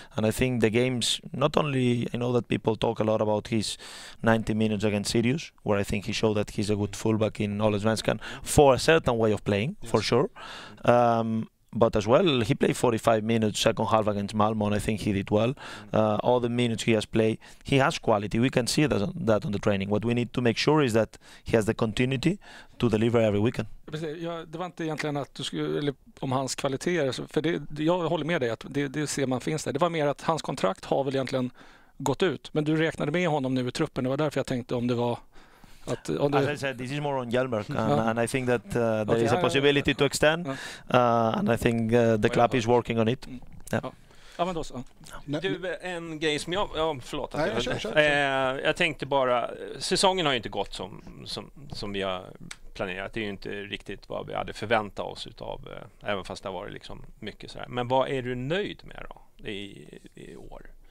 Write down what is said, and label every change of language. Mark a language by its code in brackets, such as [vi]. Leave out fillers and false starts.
[en] And I think the games, not only, I know that people talk a lot about his 90 minutes against Sirius, where I think he showed that he's a good fullback in Allsvenskan for a certain way of playing, yes, for sure. But as well, he played 45 minutes second half against Malmö. I think he did well. All the minutes he has played, he has quality. We can see that on the training. What we need to make sure is that he has the continuity to deliver every weekend. [sv] Ja, det var inte egentligen att du skulle, eller om hans kvaliteter, för det, jag håller med dig att det ser man finns där. Det var mer att hans kontrakt har väl egentligen gått ut, men du räknade med honom nu i truppen. Det var därför jag tänkte om det var... [en] As I said, this is more on Hjelmark, and I think that there is a possibility to extend, and I think the club is working on it. [sv] Du, en grej som jag... Ja, förlåt. Jag tänkte bara, säsongen har ju inte gått som vi har planerat. Det är ju inte riktigt vad vi hade förväntat oss utav, även fast det har varit liksom mycket så här. Men vad är du nöjd med då i år?